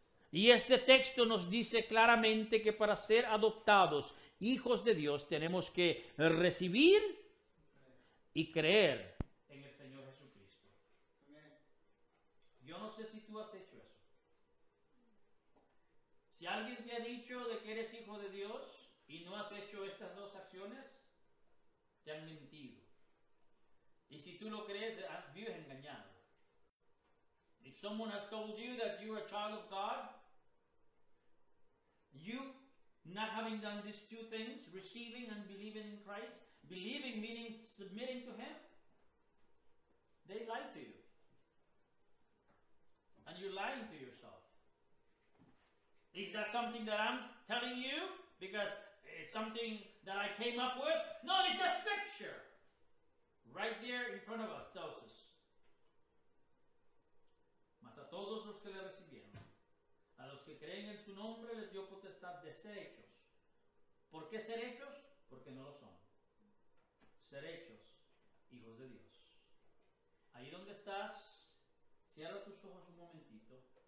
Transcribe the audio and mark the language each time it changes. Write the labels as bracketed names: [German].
[Spanish] Y este texto nos dice claramente que para ser adoptados hijos de Dios tenemos que recibir y creer en el Señor Jesucristo. Yo no sé si tú has hecho eso. Si alguien te ha dicho de que eres hijo de Dios y no has hecho estas dos acciones, te han mentido. Y si tú lo crees, vives engañado. [English] If someone has told you that you are a child of God, you not having done these two things, receiving and believing in Christ, believing meaning submitting to Him, they lie to you. And you're lying to yourself. Is that something that I'm telling you? Because it's something that I came up with? No, it's a scripture. Right there in front of us tells us. [Spanish] Mas a todos los que le recibieron, a los que creen en su nombre, les dio potestad de ser hechos. ¿Por qué ser hechos? Porque no lo son. Ser hechos, hijos de Dios. Ahí donde estás, cierra tus ojos un momentito.